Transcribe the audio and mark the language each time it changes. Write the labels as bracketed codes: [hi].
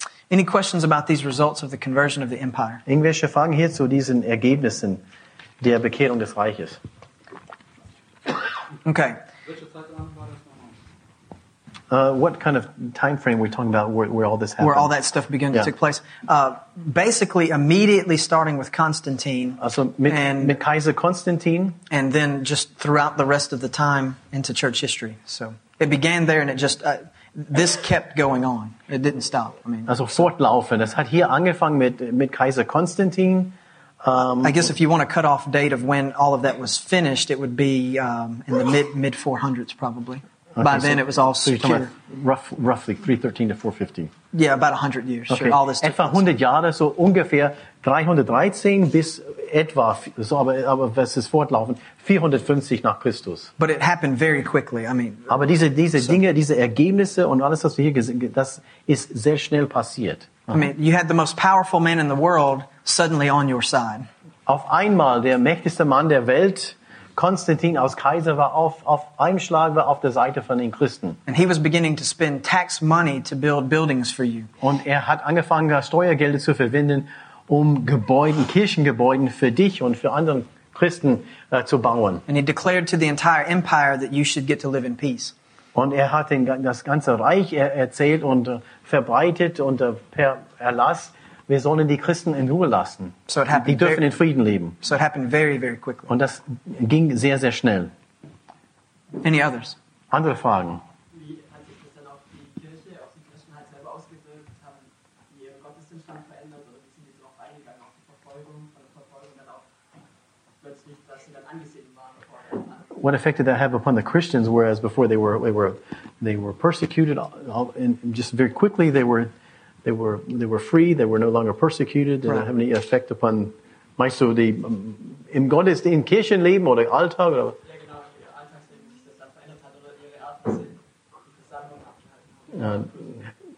[en] Any questions about these results of the conversion of the empire? [de] Irgendwelche Fragen hier zu diesen Ergebnissen? der Bekehrung des Reiches. Okay. [en] What kind of time frame are we talking about where all this happened? Where all that stuff began to take place. Basically, immediately starting with Constantine. [de] Also mit Kaiser Konstantin. [en] And then just throughout the rest of the time into church history. So it began there and it just, this kept going on. It didn't stop. I mean, [de] also fortlaufend. Es hat hier angefangen mit Kaiser Konstantin. [en] I guess if you want a cutoff date of when all of that was finished, it would be in the mid 400s probably. Okay, by then, it was all secure. So you're roughly 313 to 450. Yeah, about 100 years. Okay. Sure, all this. [de] Etwa 100 Jahre, so ungefähr 313 bis etwa, so aber was ist fortlaufend, 450 nach Christus. [en] But it happened very quickly. I mean. [de] Aber diese so. Dinge, diese Ergebnisse und alles, was wir hier gesehen haben, das ist sehr schnell passiert. [en] I mean, you had the most powerful man in the world suddenly on your side. [de] Auf einmal der mächtigste Mann der Welt. Konstantin als Kaiser war auf einem Schlag war auf der Seite von den Christen. [en] And he was beginning to spend tax money to build buildings for you. [de] Und er hat angefangen, Steuergelder zu verwenden, um Kirchengebäude für dich und für andere Christen zu bauen. [en] And he declared to the entire empire that you should get to live in peace. [de] Und er hat das ganze Reich erzählt und verbreitet und per Erlass, wir sollen die Christen in Ruhe lassen. [en] So it happened. [de] Die dürfen in Frieden leben. [en] So it happened very, very quickly. [de] Und das ging sehr, sehr schnell. [en] Any others? [de] Andere Fragen? Wie hat sich das dann auf die Kirche, auf die Christen halt selber ausgewirkt? Haben die ihren Gottesdienststand verändert? Oder sind die darauf eingegangen, auf die Verfolgung, von der Verfolgung dann auch plötzlich, dass sie dann angesehen waren? [en] What effect did that have upon the Christians? Whereas before they were persecuted, and just very quickly they were free. They were no longer persecuted. Did that have any effect upon, [de] meinst du, die im Gottesdienst, in Kirchenleben oder Alltag? Ja, genau. Ihr Alltagsleben, sich das dann verändert hat oder ihre Art des Versammlung abgehalten.